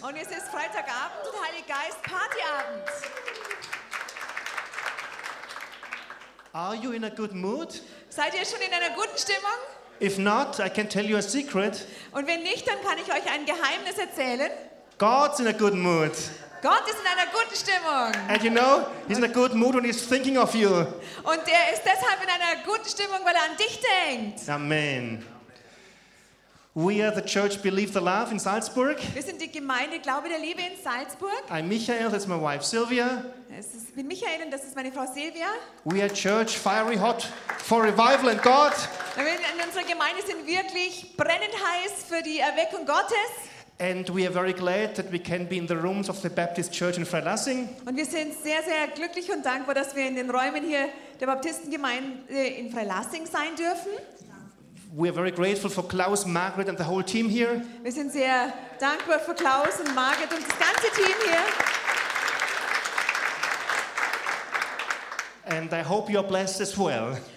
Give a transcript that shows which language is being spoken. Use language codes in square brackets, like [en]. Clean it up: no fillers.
[de] Und es ist Freitagabend und Heiliger Geist Partyabend. [en] Are you in a good mood? [de] Seid ihr schon in einer guten Stimmung? [en] If not, I can tell you a secret. [de] Und wenn nicht, dann kann ich euch ein Geheimnis erzählen. [en] God's in a good mood. [de] Gott ist in einer guten Stimmung. [en] And you know, he's in a good mood when he's thinking of you. [de] Und er ist deshalb in einer guten Stimmung, weil er an dich denkt. Amen. [en] We are the church Believe the Love in Salzburg. [de] Wir sind die Gemeinde Glaube der Liebe in Salzburg. [en] I'm Michael, that's my wife Sylvia. [de] Ich bin Michael und das ist meine Frau Sylvia. [en] We are church fiery hot for revival and God. [de] In unserer Gemeinde sind wirklich brennend heiß für die Erweckung Gottes. [en] And we are very glad that we can be in the rooms of the Baptist Church in Freilassing. [de] Und wir sind sehr, sehr glücklich und dankbar, dass wir in den Räumen hier der Baptistengemeinde in Freilassing sein dürfen. [en] We are very grateful for Klaus, Margaret and the whole team here. [de] Wir sind sehr dankbar für Klaus und Margaret und das ganze Team hier. [en] And I hope you are blessed as well.